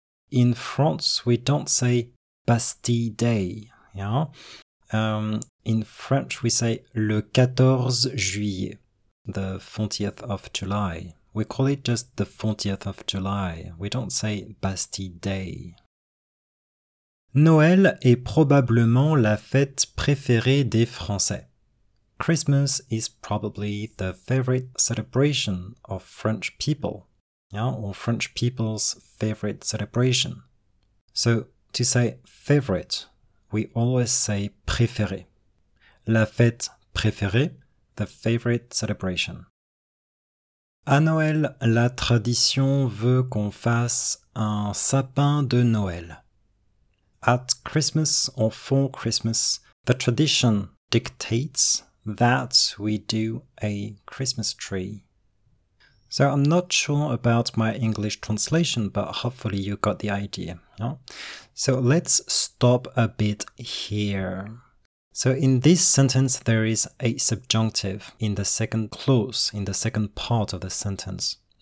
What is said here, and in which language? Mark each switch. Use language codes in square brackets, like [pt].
[en] In France, we don't say Bastille Day. Yeah? In French, we say [fr] le 14 juillet, [en] the 40th of July. We call it just the 40th of July. We don't say Bastille Day. [fr] Noël est probablement la fête préférée des Français. [en] Christmas is probably the favorite celebration of French people. Yeah, or French people's favorite celebration. So, to say favorite, we always say préféré. [fr] La fête préférée, [en] the favorite celebration. [fr] À Noël, la tradition veut qu'on fasse un sapin de Noël. [en] At Christmas, or for Christmas, the tradition dictates that we do a Christmas tree. So I'm not sure about my English translation, but hopefully you got the idea. No? So let's stop a bit here. So in this sentence, there is a subjunctive in the second clause, in the second part of the sentence.